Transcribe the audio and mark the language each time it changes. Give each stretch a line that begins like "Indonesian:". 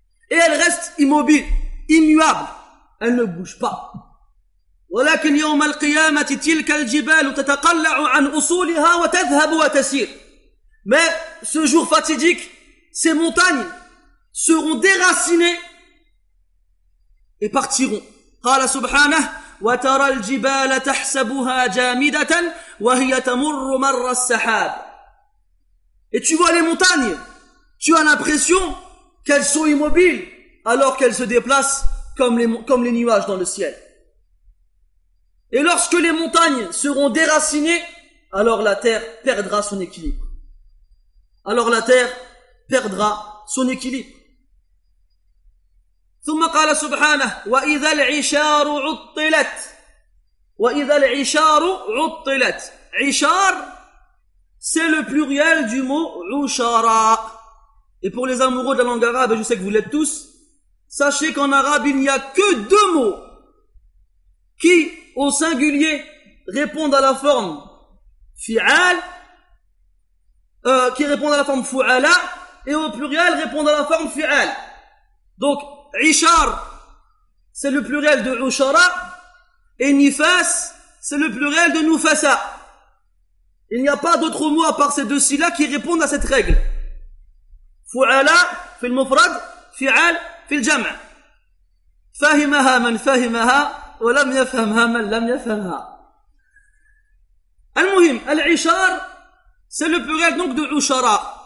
French: Et elle reste immobile, immuable. Elle ne bouge pas.
Arabic: وَلَكِنْ يَوْمَ الْقِيَامَةِ تِلْكَ الْجِبَالُ تَتَقَلَّعُ عَنْ أُصُولِهَا وَتَذْهَبُ وَتَسِيرُ.
French: Mais ce jour fatidique, ces montagnes seront déracinées et partiront.
Arabic: قال سبحانه وترى الجبال تحسبها جامدة وهي تمر مر السحاب.
French: Et tu vois les montagnes, tu as l'impression qu'elles sont immobiles alors qu'elles se déplacent comme les nuages dans le ciel. Et lorsque les montagnes seront déracinées, alors la terre perdra son équilibre. Alors la terre perdra son équilibre.
Arabic: ثم قال سبحانه وإذا العشار عطلت وإذا العشار عطلت.
French: عشار c'est le pluriel du mot عشارa. Et pour les amoureux de la langue arabe, je sais que vous l'êtes tous, sachez qu'en arabe il n'y a que deux mots qui au singulier répondent à la forme fi'al, qui répondent à la forme fu'ala, et au pluriel répondent à la forme fi'al. Donc عشار c'est le pluriel de عشارة, et نفاس c'est le pluriel de نفاسة. Il n'y a pas d'autre mot à part ces deux syllabes là qui répondent à cette règle.
Arabic: فعلاء في المفرد فعال في الجمع. فهمها من فهمها ولم يفهمها من لم يفهمها. المهم
French: العشار c'est le pluriel donc de عشارة.